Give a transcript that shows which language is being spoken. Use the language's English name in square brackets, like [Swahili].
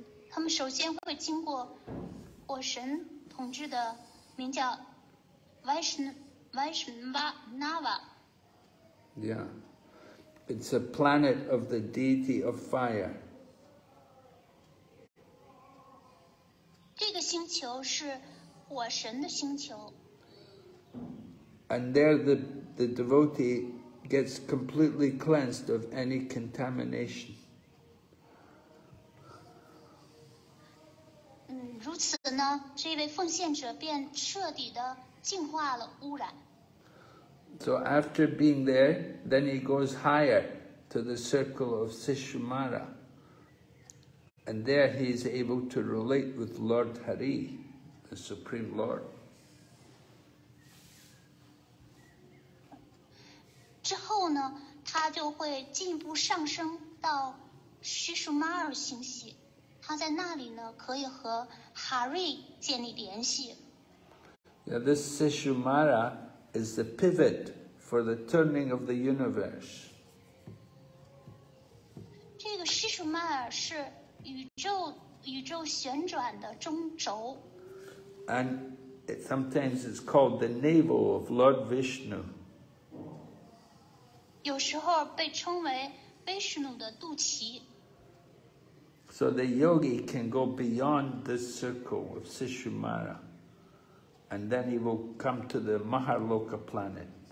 [Chinese] 他们首先会经过火神统治的名叫 Vaishnava. [English] Yeah, it's a planet of the deity of fire. [Chinese] 这个星球是火神的星球。 [English] And there the devotee gets completely cleansed of any contamination. [Chinese] 如此呢，这位奉献者便彻底的净化了污染。 [English] So after being there, then he goes higher to the circle of Sishumara. And there he is able to relate with Lord Hari. The Supreme Lord. [Chinese] 之后呢，他就会进一步上升到西舒马尔星系，他在那里呢可以和哈瑞建立联系。 [English] Now, this Sishumara is the pivot for the turning of the universe. [Chinese] 这个西舒马尔是宇宙旋转的中轴。 [English] And it sometimes it's called the navel of Lord Vishnu. [Chinese] 有时候被称为 Vishnu 的肚脐。 [English] So the yogi can go beyond this circle of Sishumara, and then he will come to the Mahaloka planet.